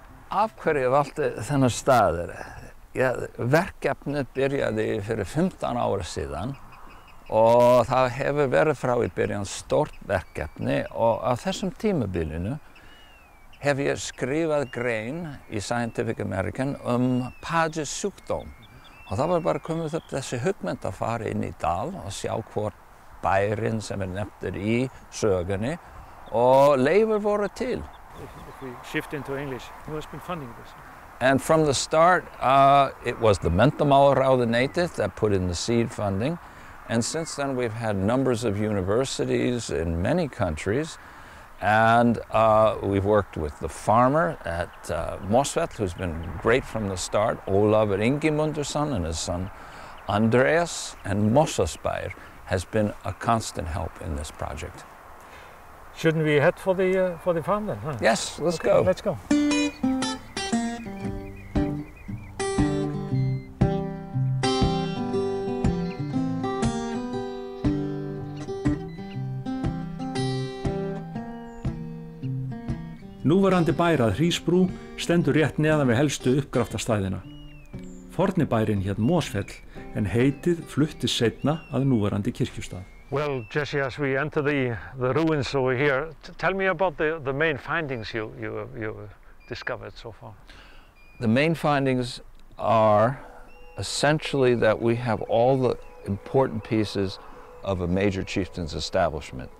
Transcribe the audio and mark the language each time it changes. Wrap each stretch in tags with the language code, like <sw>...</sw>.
<is>Af hverju ég valdi þennan stað? Verkefnið byrjaði fyrir 15 ára síðan og það hefur verið frá í byrjan stórt verkefni og á þessum tímabilinu hef ég skrifað grein í Scientific American Pages sjúkdóm og það var bara komið upp þessi hugmynd að fara inn í dal og sjá hvort bærin sem nefndir í sögunni og leifur voru til.</is> <en>If we shift into English, who has been funding this? And from the start, it was the Menntamálaráðuneytið that put in the seed funding. And since then, we've had numbers of universities in many countries. And we've worked with the farmer at Mosfell, who's been great from the start, Ólafur Ingimundursson and his son Andreas. And Mosfellsbær has been a constant help in this project. Shouldn't we head for the farm then? Huh? Yes, let's okay, go. Let's go.</en> <is>Núverandi bær að Hrísbrú stendur rétt neðan við helstu uppgraftastæðina. Fornibærin hét Mosfell en heitið fluttist seinna að núverandi kirkjustað.</is> <en>Well, Jesse, as we enter the ruins over here, tell me about the main findings you discovered so far. The main findings are essentially that we have all the important pieces of a major chieftain's establishment.</en>